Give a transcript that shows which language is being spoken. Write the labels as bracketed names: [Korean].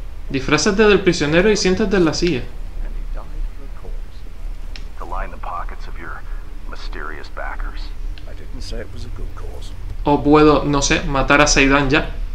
[Spanish] Disfrázate del prisionero y siéntate en la silla. [English] To line the pockets of your mysterious backers. I didn't say it was a good cause. [Spanish] O puedo, no sé, matar a Zaydan ya.